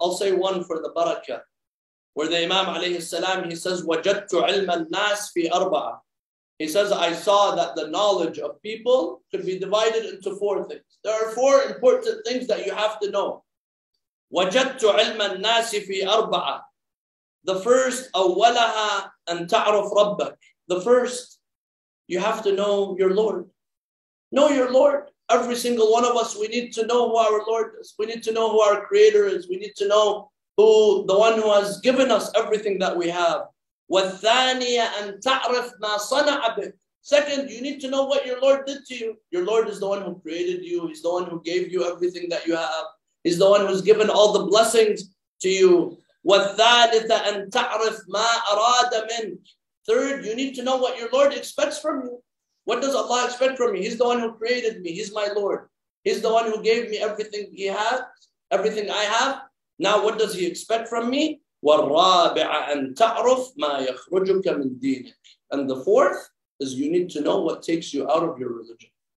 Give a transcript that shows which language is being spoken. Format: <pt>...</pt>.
<en>I'll say one for the barakah, where the imam alayhi salam, he says,</en> <ar>وَجَدْتُ عِلْمَ النَّاسِ فِي أَرْبَعَةٍ.</ar> <en>He says, I saw that the knowledge of people could be divided into four things. There are four important things that you have to know.</en> <ar>وَجَدْتُ عِلْمَ النَّاسِ فِي أَرْبَعَةٍ.</ar> <en>The first,</en> <ar>أَوَّلَهَا أَن تَعْرُفْ رَبَّكَ.</ar> <en>The first, you have to know your Lord. Know your Lord. Every single one of us, we need to know who our Lord is. We need to know who our Creator is. We need to know who the one who has given us everything that we have.</en> <ar>وَالثَّانِيَ أَن تَعْرِفْ مَا صَنَعَ بِكَ.</ar> <en>Second, you need to know what your Lord did to you. Your Lord is the one who created you. He's the one who gave you everything that you have. He's the one who's given all the blessings to you.</en> <ar>وَالثَّالِثَ أَن تَعْرِفْ مَا أَرَادَ مِنْكَ.</ar> <en>Third, you need to know what your Lord expects from you. What does Allah expect from me? He's the one who created me. He's my Lord. He's the one who gave me everything he has, everything I have. Now, what does he expect from me?</en> <ar>وَالرَّابِعَ أَن تَعْرُفْ مَا يَخْرُجُكَ مِنْ دِينِكَ.</ar> <en>And the fourth is you need to know what takes you out of your religion.</en>